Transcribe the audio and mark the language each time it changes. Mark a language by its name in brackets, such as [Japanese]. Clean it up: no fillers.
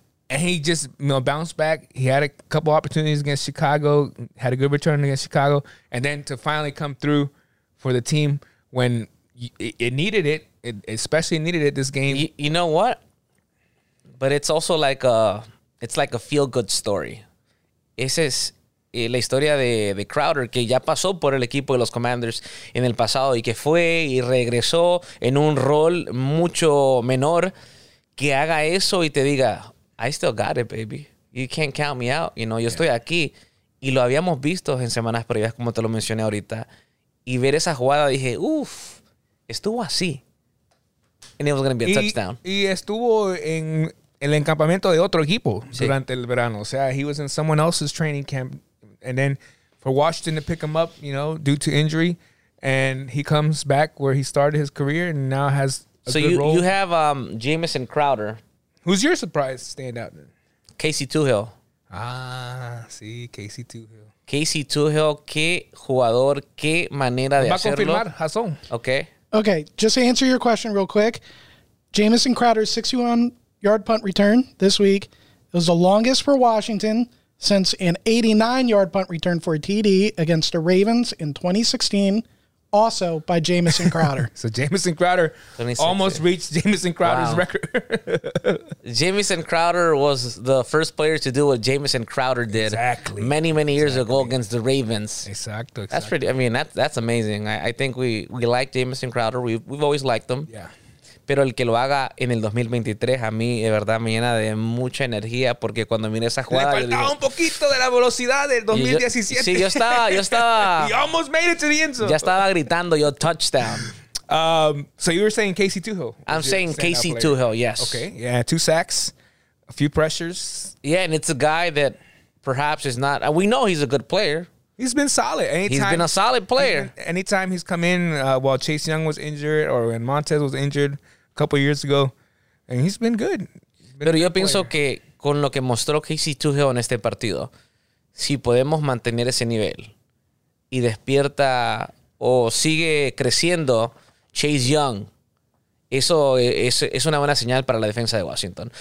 [English] And he just, you know, bounced back. He had a couple opportunities against Chicago, had a good return against Chicago, and then to finally come through for the team when it especially needed it this game. You know what? But it's also like a feel-good story. [Spanish] Esa es la historia de Crowder, que ya pasó por el equipo de los Commanders en el pasado y que fue y regresó en un rol mucho menor, que haga eso y te diga, [English] I still got it, baby. You can't count me out. You know, [Spanish] yo estoy aquí. Y lo habíamos visto en semanas previas, como te lo mencioné ahorita. Y ver esa jugada, dije, uff, estuvo así. [English] And it was going to be a touchdown. [Spanish] Y estuvo en el encampamento de otro equipo durante el verano. O sea, [English] he was in someone else's training camp. And then for Washington to pick him up, you know, due to injury. And he comes back where he started his career and now has a good role. So you have Jameson Crowder. Who's your surprise standout then? Casey Tuhill. Casey Tuhill. [Spanish] Casey Tuhill, qué jugador, qué manera de hacerlo. Va a confirmar, Jason. [English] Okay. Okay, just to answer your question real quick. Jameson Crowder's 61-yard punt return this week. It was the longest for Washington since an 89-yard punt return for a TD against the Ravens in 2016, also by Jameson Crowder. So Jameson Crowder almost reached Jameson Crowder's record. Jameson Crowder was the first player to do what Jameson Crowder did many years ago against the Ravens. [Spanish] Exacto. [English] That's pretty, I mean, that's amazing. I think we like Jameson Crowder. We've always liked him. Yeah. [Spanish] Pero el que lo haga en el 2023, a mí, de verdad, me llena de mucha energía porque cuando miré esa jugada... Le faltaba un poquito de la velocidad del 2017. Yo estaba... [English] He almost made it to the end zone. [Spanish] Ya estaba gritando, yo, touchdown. [English] So you were saying Casey Tuhill. I'm saying Casey Tuhill, yes. Okay, yeah, 2 sacks, a few pressures. Yeah, and it's a guy that perhaps is not... We know he's a good player. He's been solid. He's been a solid player. Anytime he's come in while Chase Young was injured or when Montez was injured a couple years ago, and he's been good. [Spanish] Pero yo pienso que con lo que mostró Casey Tuhill en este partido, si podemos mantener ese nivel y despierta o sigue creciendo Chase Young, eso es una buena señal para la defensa de Washington.